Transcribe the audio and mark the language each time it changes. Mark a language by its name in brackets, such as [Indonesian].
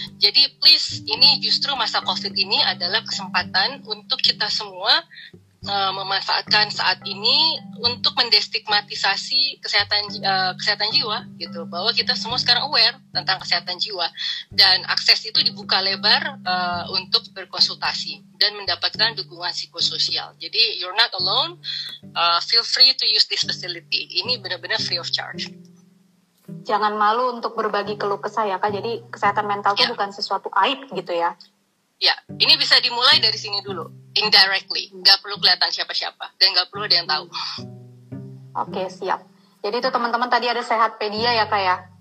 [Indonesian] Jadi please, ini justru masa COVID ini adalah kesempatan untuk kita semua memanfaatkan saat ini untuk mendestigmatisasi kesehatan jiwa gitu, bahwa kita semua sekarang aware tentang kesehatan jiwa dan akses itu dibuka lebar untuk berkonsultasi dan mendapatkan dukungan psikososial. [English] Jadi you're not alone, feel free to use this facility. [Indonesian] Ini benar-benar [English] free of charge. [Indonesian] Jangan malu untuk berbagi keluh kesah ya Kak, jadi kesehatan mental itu bukan sesuatu aib gitu ya. Ya, ini bisa dimulai dari sini dulu, indirectly. Gak perlu kelihatan siapa-siapa, dan gak perlu ada yang tahu. Oke, siap. Jadi itu teman-teman tadi ada Sehatpedia ya, Kak, ya?